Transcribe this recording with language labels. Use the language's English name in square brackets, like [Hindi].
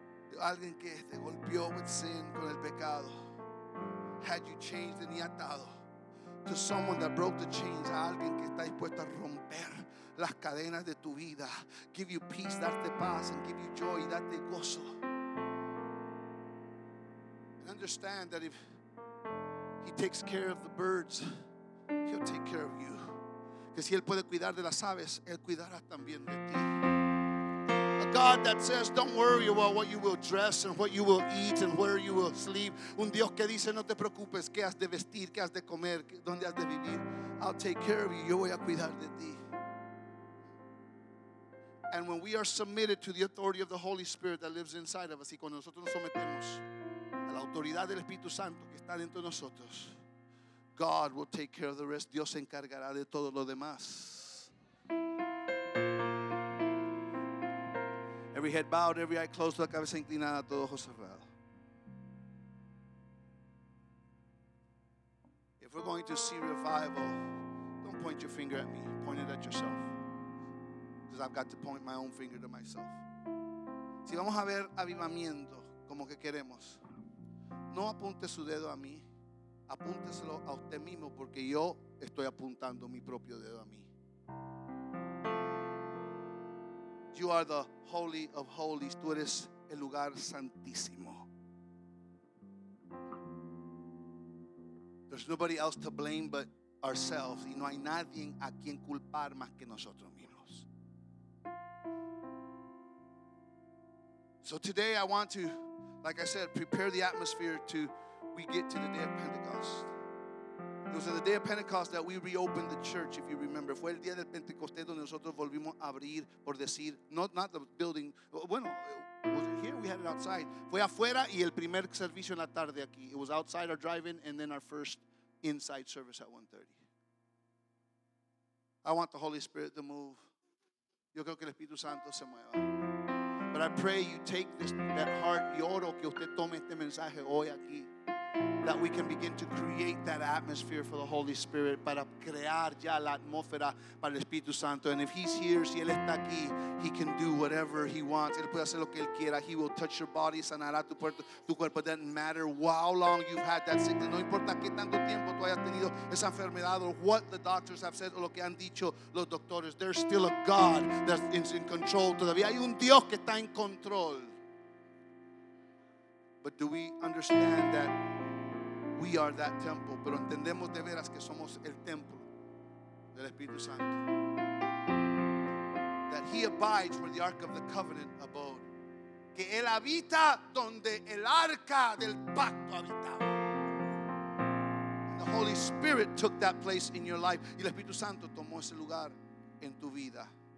[Spanish] De alguien que te golpeó [English] with sin, [Spanish] con el pecado. [English] had you chained and [Spanish] atado [English] to someone that broke the chains, [Spanish] a alguien que está dispuesto a romper las cadenas de tu vida, [English] give you peace, [Spanish] darte paz, [English] and give you joy, [Spanish] darte gozo. [English] And understand that if he takes care of the birds, he'll take care of you. [Spanish] Que si él puede cuidar de las aves, él cuidará también de ti. [English] God that says don't worry about what you will dress and what you will eat and where you will sleep. [Spanish] Un Dios que dice no te preocupes qué has de vestir, qué has de comer, dónde has de vivir. [English] I'll take care of you. [Spanish] Yo voy a cuidar de ti. [English] And when we are submitted to the authority of the Holy Spirit that lives inside of us, [Spanish] y cuando nosotros nos sometemos a la autoridad del Espíritu Santo que está dentro de nosotros, [English] God will take care of the rest. [Spanish] Dios se encargará de todo lo demás. [English] Every head bowed, every eye closed, [Spanish] la cabeza inclinada, todo ojo cerrado. [English] If we're going to see revival, don't point your finger at me. Point it at yourself. Because I've got to point my own finger to myself. [Spanish] Si vamos a ver avivamiento como que queremos, no apunte su dedo a mí. Apúnteselo a usted mismo porque yo estoy apuntando mi propio dedo a mí. [English] You are the holy of holies. [Spanish] Tú eres el lugar santísimo. [English] There's nobody else to blame but ourselves. [Spanish] Y no hay nadie a quien culpar más que nosotros mismos. [English] So today I want to, like I said, prepare the atmosphere to we get to the day of Pentecost. It was on the day of Pentecost that we reopened the church, if you remember. [Spanish] Fue el día del Pentecostés donde nosotros volvimos a abrir, por decir, [English] not the building. Bueno, was it here? We had it outside. [Spanish] Fue afuera y el primer servicio en la tarde aquí. [English] It was outside our drive-in and then our first inside service at 1:30. I want the Holy Spirit to move. [Spanish] Yo creo que el Espíritu Santo se mueva. [English] But I pray you take this, that heart, [Spanish] y oro que usted tome este mensaje hoy aquí. [English] That we can begin to create that atmosphere for the Holy Spirit, [Spanish] para crear ya la atmósfera para el Espíritu Santo. [English] And if he's here, [Spanish] si él está aquí, [English] he can do whatever he wants. [Spanish] Él puede hacer lo que él quiera. [English] He will touch your body, [Spanish] sanará tu cuerpo. [English] It doesn't matter how long you've had that sickness. [Spanish] No importa qué tanto tiempo tú hayas tenido esa enfermedad, [English] or what the doctors have said, [Spanish] o lo que han dicho los doctores. [English] There's still a God that is in control. [Spanish] Todavía hay un Dios que está en control. [English] But do we understand that we are that temple? [Spanish] Pero entendemos de veras que somos el templo del Espíritu Santo. [English] That he abides where the Ark of the Covenant abode. [Spanish] Que él habita donde el arca del pacto habitaba. [English] And the Holy Spirit took that place in your life. [Spanish] Y el Espíritu Santo tomó ese lugar en tu vida.